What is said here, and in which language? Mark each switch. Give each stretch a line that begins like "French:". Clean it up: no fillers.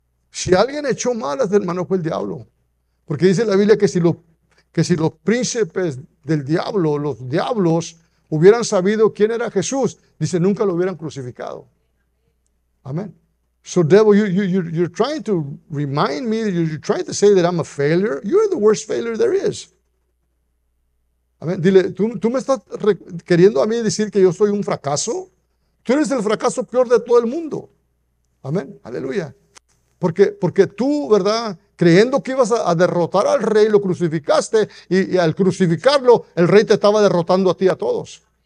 Spanish: Si alguien echó mal a este hermano, fue el diablo. Porque dice la Biblia que si los príncipes del diablo, los diablos, hubieran sabido quién era Jesús, dice, nunca lo hubieran crucificado. Amén.
English: So devil, you're trying to remind me, you're trying to say that I'm a failure. You're the worst failure there is. Amén.
Spanish: Dile, ¿tú me estás queriendo a mí decir que yo soy un fracaso? Tú eres el fracaso peor de todo el mundo. Amén. Aleluya. Porque tú, ¿verdad?, creyendo que ibas a derrotar al rey, lo crucificaste, y al crucificarlo, el rey te estaba derrotando a ti, a todos.